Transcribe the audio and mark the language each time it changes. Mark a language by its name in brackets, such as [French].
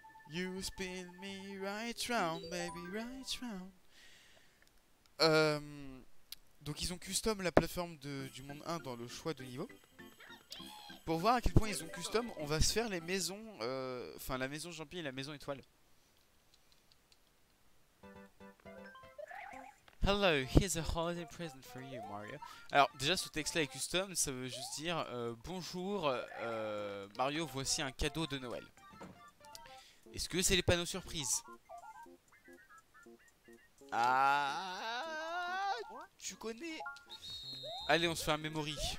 [English] You spin me right round, baby, right round. [French] Donc ils ont custom la plateforme du monde 1 dans le choix de niveau. Pour voir à quel point ils ont custom, on va se faire les maisons, enfin la maison champion et la maison étoile. [English] Hello, here's a holiday present for you, Mario. [French] Alors déjà ce texte-là est custom, ça veut juste dire bonjour Mario, voici un cadeau de Noël. Est-ce que c'est les panneaux surprises? Ah, tu connais. Allez, on se fait un memory.